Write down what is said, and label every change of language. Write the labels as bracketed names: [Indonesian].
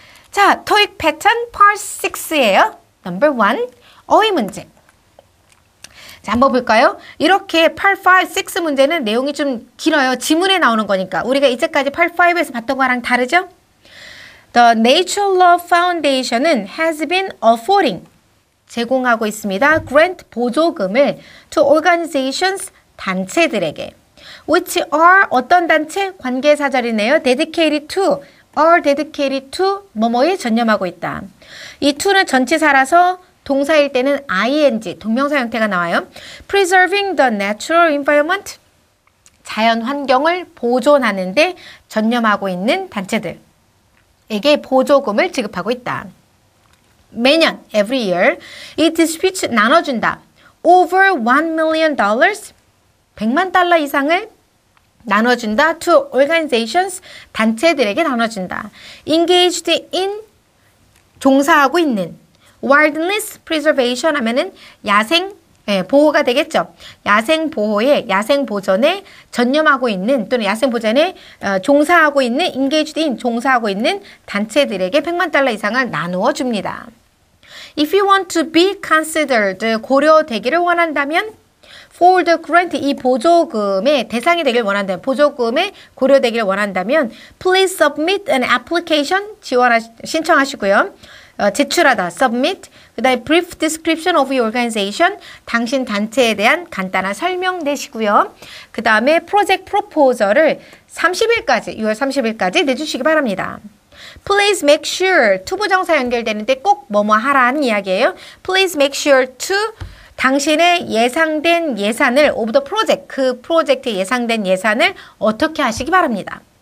[Korean] 자, 토익 패턴 Part 6예요. Number 1, 어휘 문제. 자, 한번 볼까요? 이렇게 Part 5, 6 문제는 내용이 좀 길어요. 지문에 나오는 거니까. 우리가 이제까지 Part 5에서 봤던 거랑 다르죠? [English] The Natural Law Foundation은 has been affording, [Korean] 제공하고 있습니다. [English] Grant 보조금을 to organizations, 단체들에게. Which are [Korean] 어떤 단체? 관계사절이네요. [English] Dedicated to, are dedicated to, [Korean] 뭐뭐에 전념하고 있다. 이 to는 전치사라서 동사일 때는 ing, 동명사 형태가 나와요. [English] Preserving the natural environment, [Korean] 자연 환경을 보존하는 데 전념하고 있는 단체들. 에게 보조금을 지급하고 있다. 매년, [English] every year, [Korean] 이 dispute 나눠준다. [English] Over $1 million, [Korean] 100만 달러 이상을 나눠준다. [English] To organizations, [Korean] 단체들에게 나눠준다. [English] Engaged in, [Korean] 종사하고 있는. [English] Wilderness preservation [Korean] 하면은 야생, 예, 보호가 되겠죠. 야생 보호에, 야생 보전에 전념하고 있는 또는 야생 보전에 종사하고 있는 [English] engaged in [Korean] 종사하고 있는 단체들에게 100만 달러 이상을 나누어 줍니다. [English] If you want to be considered [Korean] 고려되기를 원한다면 [English] for the grant [Korean] 이 보조금의 대상이 되길 원한다면 보조금에 고려되기를 원한다면 [English] please submit an application [Korean] 신청하시고요. 제출하다, submit. 그 다음에 [English] brief description of your organization. [Korean] 당신 단체에 대한 간단한 설명 내시고요. 그 다음에 project proposal을 30일까지, 6월 30일까지 내주시기 바랍니다. [English] Please make sure to [Korean] 부정사 연결되는데 꼭 뭐뭐 하라는 이야기예요. [English] Please make sure to [Korean] 당신의 예상된 예산을 [English] of the project, [Korean] 그 프로젝트의 예상된 예산을 어떻게 하시기 바랍니다.